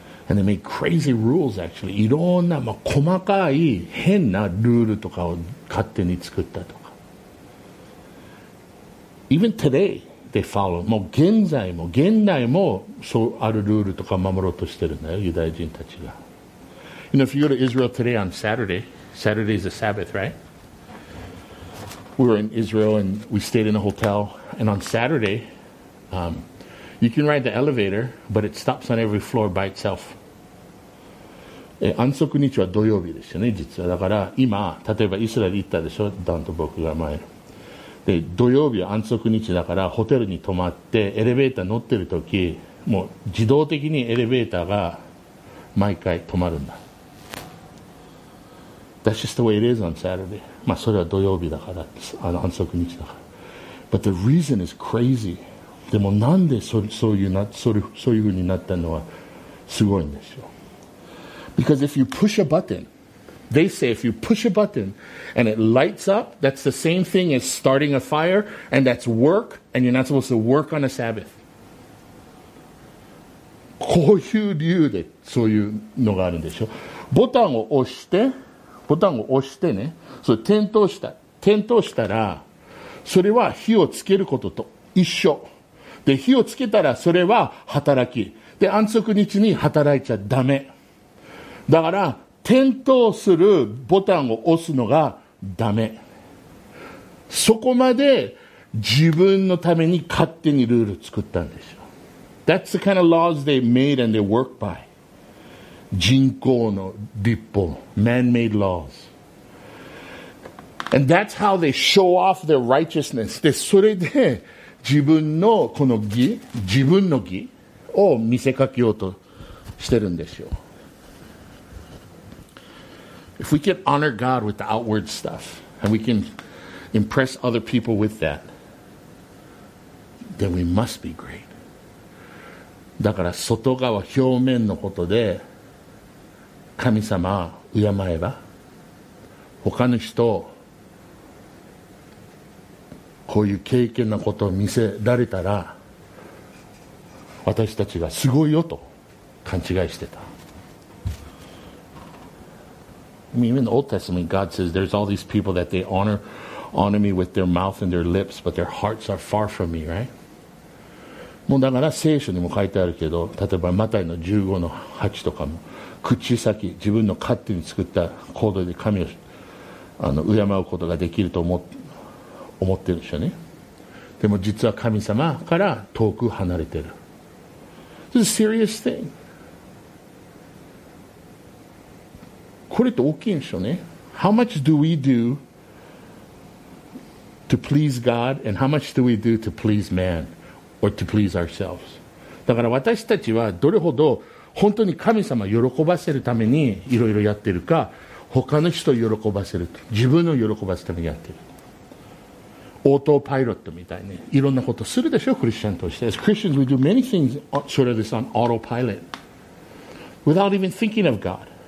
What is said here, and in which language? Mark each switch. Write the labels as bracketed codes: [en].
[en] And they make crazy rules, actually. [ja] いろんな、まあ、細かい変なルールとかを勝手に作ったとか。 [en] Even today, they follow. [ja] もう現在も、現代もそうあるルールとか守ろうとしてるんだよ、ユダヤ人たちが。 [en] You know, if you go to Israel today on Saturday, Saturday is the Sabbath, right? We were in Israel and we stayed in a hotel. And on Saturday, You can ride the elevator, but it stops on every floor by itself. [ja] 安息日は土曜日ですよね、実は。だから今、例えばイスラエル行ったでしょ、ダンと僕が前。で、土曜日は安息日だから、ホテルに泊まって、エレベーター乗ってる時、もう自動的にエレベーターが毎回止まるんだ。 [en] That's just the way it is on Saturday. [ja] まあ、それは土曜日だから、あの安息日だから。 [en] But the reason is crazy. [ja] でもなんでそういうふうになったのはすごいんですよ。 [en] Because if you push a button, they say if you push a button and it lights up, that's the same thing as starting a fire and that's work and you're not supposed to work on a Sabbath. [ja] こういう理由でそういうのがあるんでしょ。ボタンを押してね、そう点灯したら、それは火をつけることと一緒。で火をつけたらそれは働きで安息日に働いちゃダメだから点灯するボタンを押すのがダメそこまで自分のために勝手にルール作ったんでしょ [en] That's the kind of laws they made and they work by [ja] 人工の律法 [en] man-made lawsAnd that's how they show off their righteousness. [ja] で、それで自分のこの義、自分の義を見せかけようとしてるんですよ。 [en] If we can honor God with the outward stuff, and we can impress other people with that, then we must be great. [ja] だから外側、表面のことで神様を敬えば、他の人をこういう経験なことを見せられたら私たちがすごいよと勘違いしてた。 [en] I mean, even the Old Testament, God says there's all these people that they honor me with their mouth and their lips, but their hearts are far from me, right? [ja] もうだから聖書にも書いてあるけど、例えばマタイの15の8とかも、口先、自分の勝手に作った行動で神をあの敬うことができると思ってるでしょうね。でも実は神様から遠く離れてる。 [en] This is a serious thing. [ja] これって大きいんでしょうね。 [en] How much do we do to please God and how much do we do to please man or to please ourselves? [ja] だから私たちはどれほど本当に神様を喜ばせるためにいろいろやってるか、他の人を喜ばせる、自分を喜ばせるためにやってる。オートパイロットみたいにいろんなことするでしょ、クリスチャンとして。 [en] As Christians, we do many things sort of this on autopilot without even thinking of God.